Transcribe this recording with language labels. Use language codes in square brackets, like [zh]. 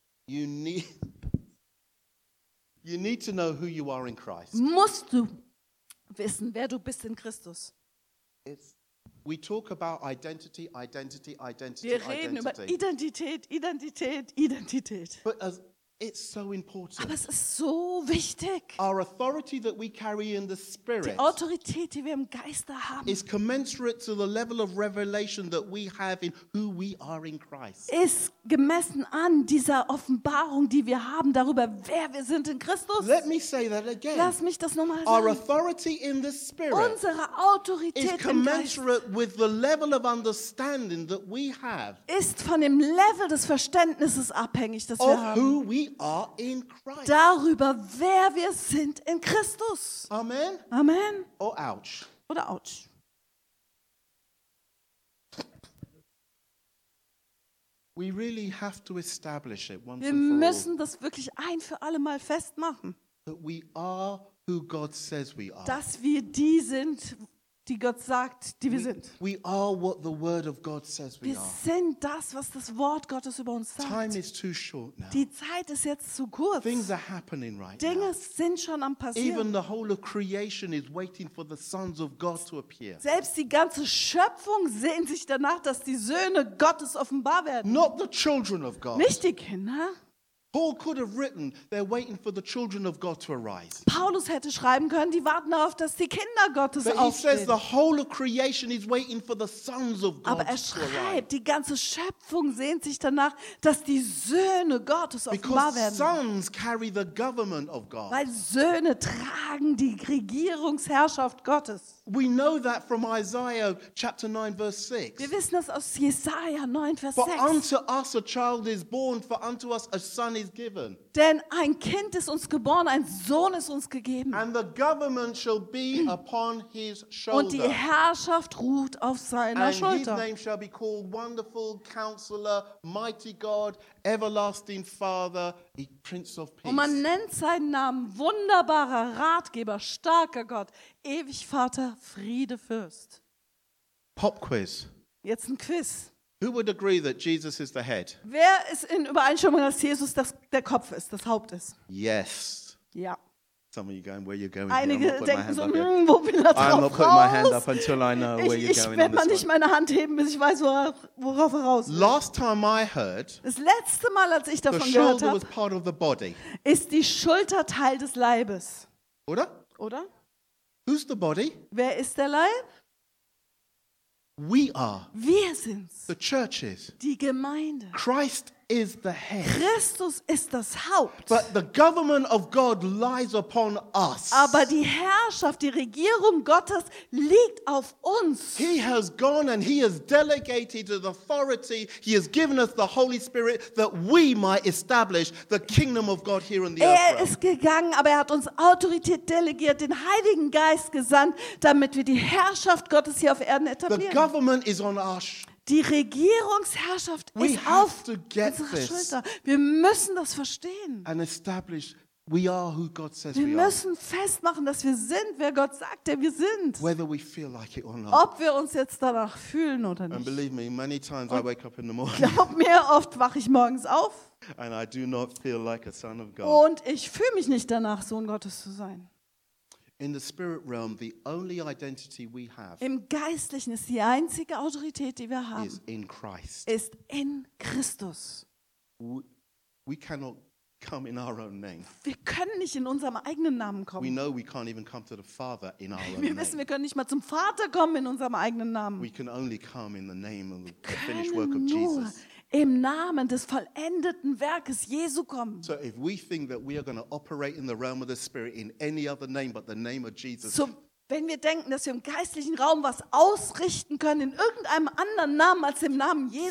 [en] you need to know who you are in Christ. [de] Musst du wissen, wer du bist in Christus. [en] We talk about identity, identity, identity. [de] Wir reden [en] identity. [de] Über Identität, Identität, Identität. [en] But as it's so important. [de] Aber es ist so wichtig. [en] Our authority that we carry in the spirit. [de] Die Autorität, die wir im Geiste haben. [en] Is commensurate to the level of revelation that we have in who we are in Christ. [de] Ist gemessen an dieser Offenbarung, die wir haben darüber, wer wir sind in Christus. [en] Let me say that again. [de] Lass mich das nochmal sagen. [en] Our authority in the spirit. [de] Unsere Autorität im Geist. [en] Is commensurate with the level of understanding that we have. [de] Ist von dem Level des Verständnisses abhängig, das wir haben. [en] We are in Christ. [de] Darüber, wer wir sind in Christus. [en] Amen. [de] Amen. [en] Or ouch. [de] Oder ouch. [en] We really have to establish it once [de] wir [en] and for all. [de] Wir müssen das wirklich ein für alle Mal festmachen. [en] That we are who God says we are. [de] Dass wir die sind, die Gott sagt, die wir sind. [en] We are what the word of God says we [de] wir [en] are. [de] Sind das, was das Wort Gottes über uns sagt. [en] Time is too short now. [de] Die Zeit ist jetzt zu kurz. [en] Things are happening right [de] Dinge [en] now. [de] Sind schon am passieren. [en] Even the whole of creation is waiting for the sons of God to appear. [de] Selbst die ganze Schöpfung sehnt sich danach, dass die Söhne Gottes offenbar werden. [en] Not the children of God. [de] Nicht die Kinder. [en] Paul could have written, they're waiting for the children of God to arise. [de] Paulus hätte schreiben können, die warten darauf, dass die Kinder Gottes [en] But [de] aufstehen. [en] But he says the whole of creation is waiting for the sons of God [de] Aber er schreibt, [en] to arise. [de] Die ganze Schöpfung sehnt sich danach, dass die Söhne Gottes offenbar werden. [en] Because sons carry the government of God. [de] Weil Söhne tragen die Regierungsherrschaft Gottes. [en] We know that from Isaiah chapter 9 verse 6. [de] Wir wissen das aus Jesaja 9 Vers 6. [en] For unto us a child is born, for unto us a son is given. [de] Denn ein Kind ist uns geboren, ein Sohn ist uns gegeben. [en] And the government shall be upon his shoulder. [de] Und die Herrschaft ruht auf seiner [en] And [de] Schulter. [en] His name shall be called Wonderful Counselor, Mighty God, Everlasting Father, Prince of Peace. [de] Und man nennt seinen Namen wunderbarer Ratgeber, starker Gott, ewig Vater, Friede Fürst. [en] Pop Quiz. [de] Jetzt ein Quiz. [en] Who would agree that Jesus is the head? [de] Wer ist in Übereinstimmung, dass Jesus das, der Kopf ist, das Haupt ist? [en] Yes. [de] Ja. [en] Some of you going, where you going? [de] Einige denken so, wo bin ich [en] I'm not putting my hand up until I know [de] ich, [en] where you're [de] ich [en] going. [de] Ich werde mal nicht [en] one. [de] Meine Hand heben, bis ich weiß, worauf er raus. [en] Last time I heard. [de] Das letzte Mal, als ich davon gehört habe. [en] Was part of the body. [de] Ist die Schulter Teil des Leibes? Oder? Oder? [en] Who's the body? [de] Wer ist der Leib? [en] We are. [de] Wir sind's. [en] The church is. [de] Die Gemeinde. [en] Christ is the head. [de] Christus ist das Haupt. [en] But the government of God lies upon us. [de] Aber die Herrschaft, die Regierung Gottes liegt auf uns. [en] He has gone and he has delegated the authority. He has given us the Holy Spirit that we might establish the kingdom of God here on the earth. [de] Er ist gegangen, aber er hat uns Autorität delegiert, den Heiligen Geist gesandt, damit wir die Herrschaft Gottes hier auf Erden etablieren. [en] The government is on us. [de] Die Regierungsherrschaft [en] we [de] ist auf unserer Schulter. Wir müssen das verstehen. [en] And establish we are who God says [de] wir [en] we [de] müssen [en] are. [de] Festmachen, dass wir sind, wer Gott sagt, der wir sind. [en] Whether we feel like it or not. [de] Ob wir uns jetzt danach fühlen oder nicht. [en] And believe me, many times I wake up in the morning. [de] Glaub mir, oft wache ich morgens auf. [en] And I do not feel like a son of God. [de] Und ich fühle mich nicht danach, Sohn Gottes zu sein. [en] In the spirit realm, the only identity we have [de] im Geistlichen ist die einzige Autorität, die wir haben, [en] is in Christ. [de] Ist in Christus. [en] We cannot come in our own name. [de] Wir können nicht in unserem eigenen Namen kommen. [en] We know we can't even come to the Father in our own [de] wir [en] name. [de] Wir wissen, wir können nicht mal zum Vater kommen in unserem eigenen Namen. [en] We can only come in the name of the finished work of Jesus. [de] Wir können nur im Namen des vollendeten Werkes Jesu kommen. [en] So if we think that we are going to operate in the realm of the Spirit in any other name but the name of Jesus. [de] So wenn wir denken, dass wir im geistlichen Raum was ausrichten können in irgendeinem anderen Namen als im Namen Jesus,